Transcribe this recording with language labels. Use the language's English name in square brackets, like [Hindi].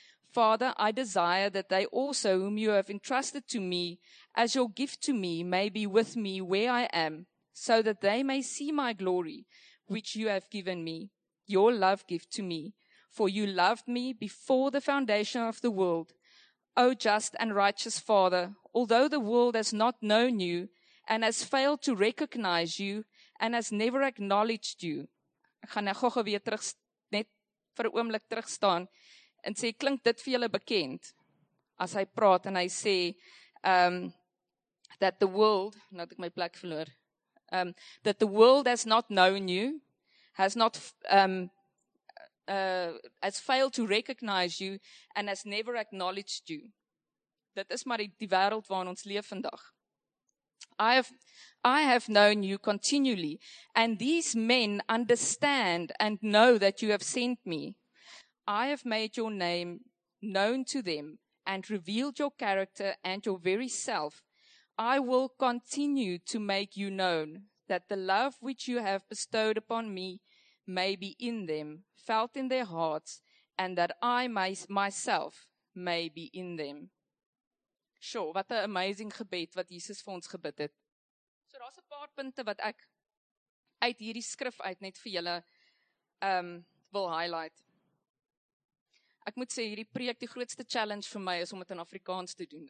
[English] Father, I desire that they also whom you have entrusted to me as your gift to me may be with me where I am, so that they may see my glory which you have given me, your love gift to me. For you loved me before the foundation of the world. O just and righteous Father, although the world has not known you and has failed to recognize you and has never acknowledged you. [Afrikaans] Ek gaan gou weer terug net vir 'n oomblik terug staan en sê klink dit vir julle bekend? As hy praat en hy sê [English] that the world, [Afrikaans] nou het ek my plek verloor. [English] That the world has not known you, has failed to recognize you and has never acknowledged you. [Afrikaans] Dit is maar die wêreld waarin ons leef vandag. [English] I have known you continually, and these men understand and know that you have sent me. I have made your name known to them and revealed your character and your very self. I will continue to make you known, that the love which you have bestowed upon me may be in them, felt in their hearts, and that I myself may be in them. [Afrikaans] Sure, wat 'n amazing gebed wat Jesus vir ons gebid het. So daar's 'n paar punte wat ek uit hierdie skrif uit net vir julle wil highlight. Ek moet sê hierdie preek, die grootste challenge vir my is om dit in Afrikaans te doen.